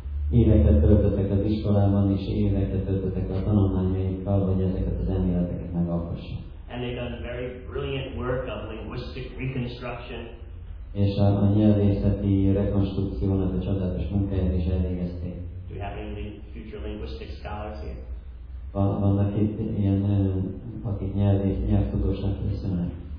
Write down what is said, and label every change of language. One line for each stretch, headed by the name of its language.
Hungarian: Éveket töltöttek az iskolában, és éveket töltöttek a tanulmányaikkal, hogy ezeket az elméleteket megalkossák.
English: And they've done very brilliant work of linguistic reconstruction.
Hungarian: És a nyelvészeti rekonstrukciónak a csodálatos munkáját is elvégezték.
English: Do you have any future linguistic scholars here?
Hungarian: Vannak itt ilyen, akik nyelvtudósnak köszönnek.